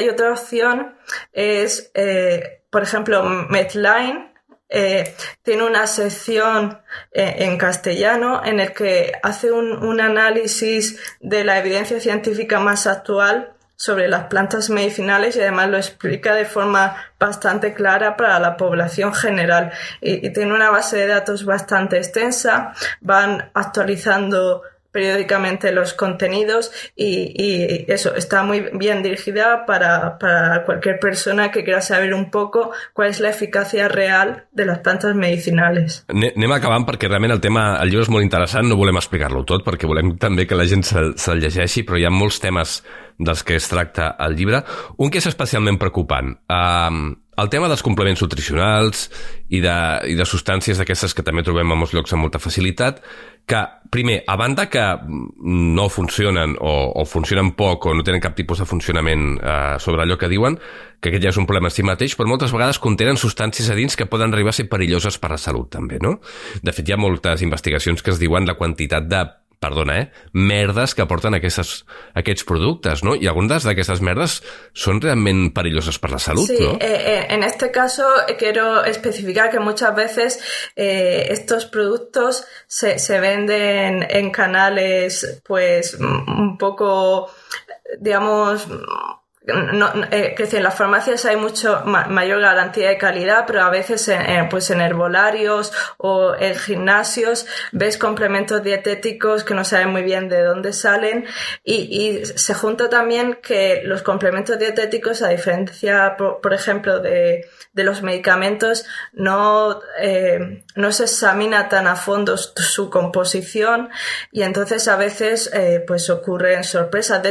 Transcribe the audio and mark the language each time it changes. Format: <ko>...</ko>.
<es>Y otra opción es, por ejemplo, Medline tiene una sección en castellano en el que hace un análisis de la evidencia científica más actual sobre las plantas medicinales, y además lo explica de forma bastante clara para la población general, y tiene una base de datos bastante extensa. Van actualizando periódicamente los contenidos y eso, está muy bien dirigida para cualquier persona que quiera saber un poco cuál es la eficacia real de las plantas medicinales.</es> <ca>Anem acabant, perquè realment el tema, el llibre és molt interessant, no volem explicar-lo tot perquè volem també que la gent se'l llegeixi, però hi ha molts temes dels que es tracta el llibre. Un que és especialment preocupant, el tema dels complements nutricionals i de substàncies d'aquestes que també trobem a molts llocs amb molta facilitat, que, primer, a banda que no funcionen o funcionen poc o no tenen cap tipus de funcionament sobre allò que diuen, que aquest ja és un problema en si mateix, però moltes vegades contenen substàncies a dins que poden arribar a ser perilloses per a la salut, també, no? De fet, hi ha moltes investigacions que es diuen la quantitat de, perdona, merdes que porten aquests productes, no? I algunes d'aquestes merdes són realment perilloses per la salut, sí, no?</ca> <es>Sí, en este caso quiero especificar que muchas veces estos productos se venden en canales pues un poco, digamos, No, que las farmacias hay mucho mayor garantía de calidad, pero a veces pues en herbolarios o en gimnasios ves complementos dietéticos que no saben muy bien de dónde salen, y se junta también que los complementos dietéticos, a diferencia por ejemplo de los medicamentos, no se examina tan a fondo su composición, y entonces a veces pues ocurren sorpresas.</es>